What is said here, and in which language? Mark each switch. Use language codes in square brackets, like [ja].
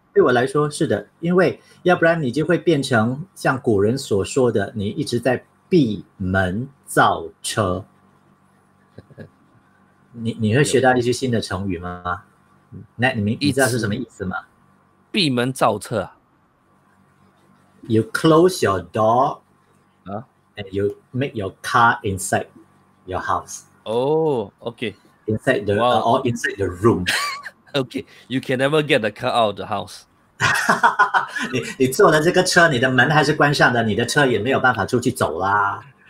[zh] 对我来说是的，因为要不然你就会变成像古人所说的，你一直在闭门造车。你会学到一些新的成语吗？那你知道是什么意思吗？闭门造车、啊、 [en] You close your door and you make your car inside. your house. Oh, okay. Inside the wow. Or inside the room. Okay, you can never get the car out of the house. [zh] 你坐了这个车，你的门还是关上的，你的车也没有办法出去走啦。